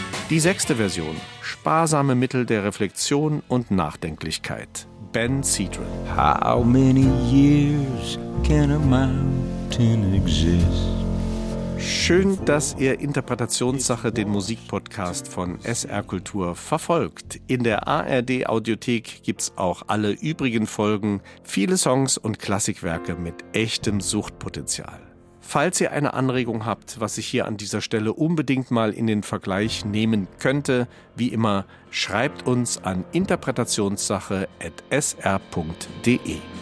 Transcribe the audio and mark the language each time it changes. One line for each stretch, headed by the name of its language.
German: Die sechste Version. Sparsame Mittel der Reflexion und Nachdenklichkeit. Ben Cedrin.
English: How many years can a mountain exist?
German: Schön, dass ihr Interpretationssache den Musikpodcast von SR Kultur verfolgt. In der ARD Audiothek gibt's auch alle übrigen Folgen, viele Songs und Klassikwerke mit echtem Suchtpotenzial. Falls ihr eine Anregung habt, was ich hier an dieser Stelle unbedingt mal in den Vergleich nehmen könnte, wie immer, schreibt uns an interpretationssache@sr.de.